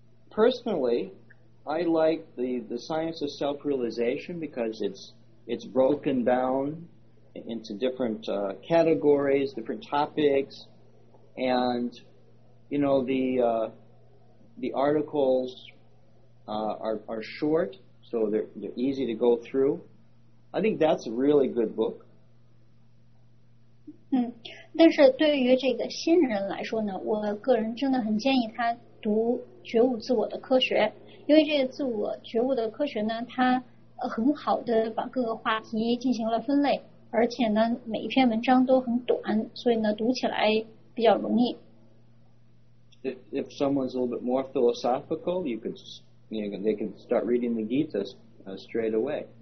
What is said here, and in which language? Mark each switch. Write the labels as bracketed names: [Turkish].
[English] Personally. I like the science of self-realization because it's broken down into different categories, different topics, and you know the articles are short, so they're easy to go through. I think that's a really good book. [Chinese] 但是对于这个新人来说呢，我个人真的很建议他读《觉悟自我的科学》。因为这个自我觉悟的科学呢，它很好的把各个话题进行了分类，而且呢，每一篇文章都很短，所以呢，读起来比较容易。 [English] If someone's a little bit more philosophical, they can start reading the Gita straight away.